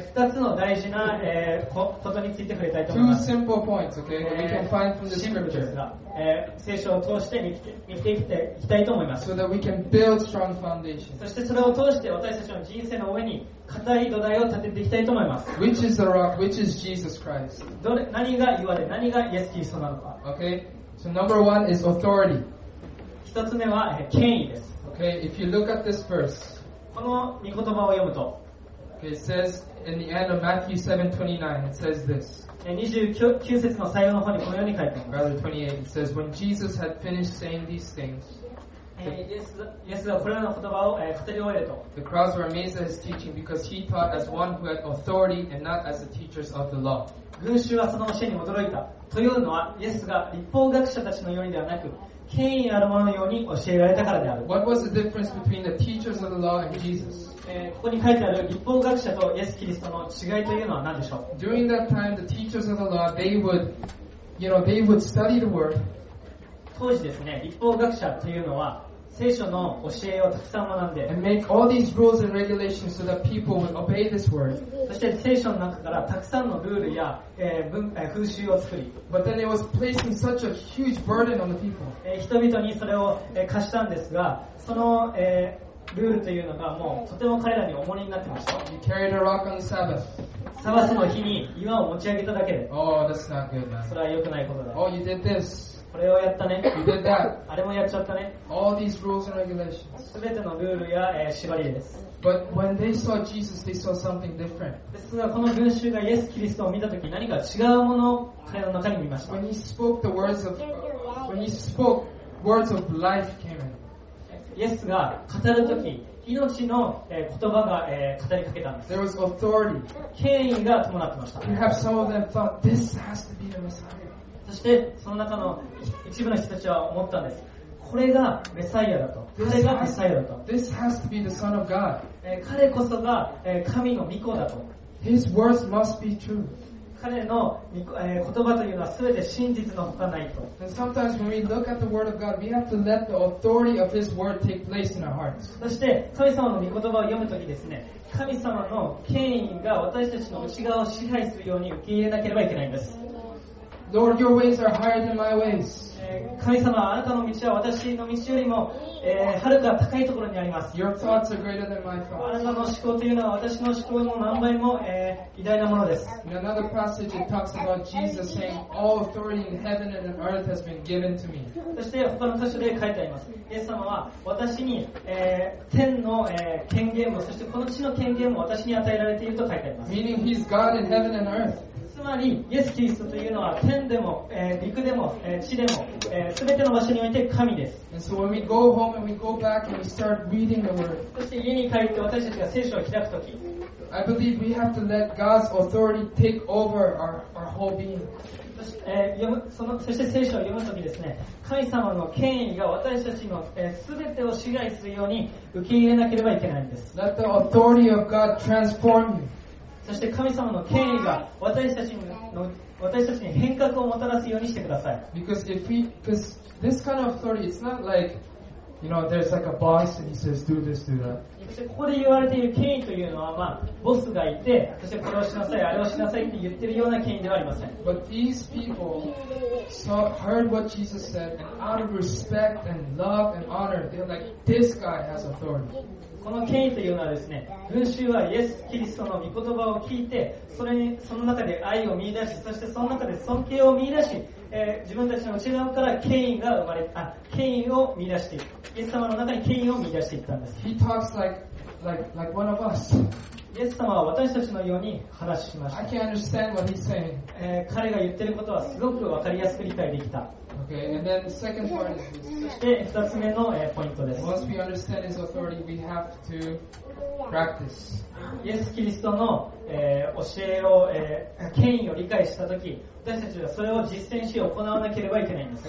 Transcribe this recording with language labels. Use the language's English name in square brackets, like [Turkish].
[Japanese] 2つの大事な、ことについて触れたいと思います。 [English] Two simple points, okay, that we can find from the scripture. [Japanese] 聖書を通して見ていきたいと思います。 [English] So that we can build strong foundations. [Japanese] そしてそれを通して私たちの人生の上に固い土台を立てていきたいと思います。 [English] Which is the rock? Which is Jesus Christ? [Japanese] 何が岩で何がイエスキリストなのか。 [English] Okay, so number one is authority. [Japanese] 1つ目は、権威です。 [English] Okay, if you look at this verse, [Japanese] この御言葉を読むと、 [English] okay, it says in the end of Matthew 7:29, it says this. [Japanese] 29節の最後の方にこのように書いてあります。 [English] Rather 28, it says, when Jesus had finished saying these things, [Japanese] イエスがこれらの言葉を語り終えると、 [English] the crowds were amazed at his teaching because he taught as one who had authority and not as the teachers of the law. [Japanese] 群衆はその教えに驚いた。というのは、イエスが律法学者たちのようにではなく、権威あるもののように教えられたからである。 [English] What was the difference between the teachers of the law and Jesus? [Japanese] ここに書いてある律法学者とイエス・キリストの違いというのは何でしょう。 [English] During that time, the teachers of the law, they would study the word. [Japanese] 当時ですね、律法学者というのは聖書の教えをたくさん学んで、 [English] and make all these rules and regulations so that people would obey this word. [Japanese] そして聖書の中からたくさんのルールや、風習を作り、 [English] but then it was placing such a huge burden on the people. [Japanese] 人々にそれを、課したんですが、その、ルールというのがもうとても彼らに重荷になってました。 [English] You carried a rock on the Sabbath. [Japanese] サバスの日に岩を持ち上げただけで、 [English] oh, that's not good, man. [Japanese] それは良くないことだ。 [English] Oh, you did this. [Japanese] これをやったね。 [English] You did that. [Japanese] あれもやっちゃったね。 [English] All these rules and regulations. [Japanese] すべてのルールや、縛りです。 [English] But when they saw Jesus, they saw something different. [Japanese] ですが、この群衆がイエス・キリストを見たとき、何か違うものを彼の中に見ました。 [English] When he spoke the words of, when he spoke words of life came in. [Japanese] イエスが語るとき、命の、言葉が、語りかけたんです。 [English] There was authority. [Japanese] 権威が伴ってました。 [English] Perhaps some of them thought this has to be the Messiah. [Japanese] そしてその中の一部の人たちは思ったんです。これがメサイアだと。これがメサイアだと。 [English] This has to be the Son of God. [Japanese] 彼こそが神の御子だと。 [English] His words must be true. [Japanese] 彼の言葉というのは全て真実のほかないと。 [English] And sometimes when we look at the word of God, we have to let the authority of His word take place in our hearts. [Japanese] そして神様の御言葉を読むときですね、神様の権威が私たちの内側を支配するように受け入れなければいけないんです。 [English] Lord, your ways are higher than my ways. [Japanese] 神様、あなたの道は私の道よりも、はるか高いところにあります。 [English] Your thoughts are greater than my thoughts. [Japanese] あなたの思考というのは私の思考の何倍も、偉大なものです。 [English] In another passage, it talks about Jesus saying, "All authority in heaven and on earth has been given to me." [Japanese] そして他の箇所で書いてあります。イエス様は私に、天の、権限もそしてこの地の権限も私に与えられていると書いてあります。 [English] Meaning He's God in heaven and earth. [Japanese] つまりイエス・キリストというのは天でも、陸でも、地でも、全ての場所において神です。 [English] So when we go home and we go back and we start reading the word, [Japanese] そして家に帰って私たちが聖書を開くとき、 [English] I believe we have to let God's authority take over our whole being. [Japanese] そして聖書を読むときですね、神様の権威が私たちの、全てを支配するように受け入れなければいけないんです。 [English] Let the authority of God transform you. [Japanese] そして神様の権威が私たちに変革をもたらすようにしてください。 [English] Because if we, because this kind of authority, it's not like, you know, there's like a boss and he says, do this, do that. [Japanese] ここで言われている権威というのは、まあ、ボスがいて、そしてこれをしなさい、あれをしなさいって言ってるような権威ではありません。 [English] But these people heard what Jesus said, and out of respect and love and honor, they're like, this guy has authority. [Japanese] この権威というのはですね、群衆はイエス・キリストの御言葉を聞いて、それにその中で愛を見出し、そしてその中で尊敬を見出し、自分たちの内側から権威を見出していく。イエス様の中に権威を見出していったんです。 [English] He talks like one of us. [Japanese] イエス様は私たちのように話しました。 [English] I can understand what he's saying. [Japanese] 彼が言ってることはすごく分かりやすく理解できた。 [English] Okay, and then the second part is this. [Japanese] そして2つ目のポイントです。 [English] Once we understand his authority, we have to practice. [Japanese] イエス・キリストの教えを、権威を理解したとき、私たちはそれを実践し行わなければいけないんです。